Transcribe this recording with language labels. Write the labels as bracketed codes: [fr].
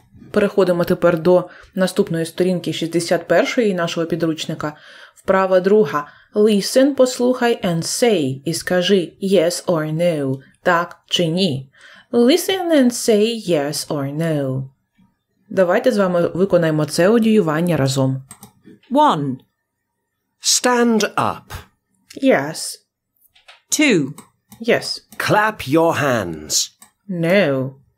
[uk] Переходимо тепер до наступної сторінки 61-ї нашого підручника. Вправа друга. [en] Listen, [uk] послухай, [en] and say. [uk] І скажи [en] yes or no. [uk] Так чи ні. [en] Listen and say yes or no. [uk] Давайте з вами виконаємо це одіювання разом. [en] One. Stand up. Yes. Two. Yes. Clap your hands. No.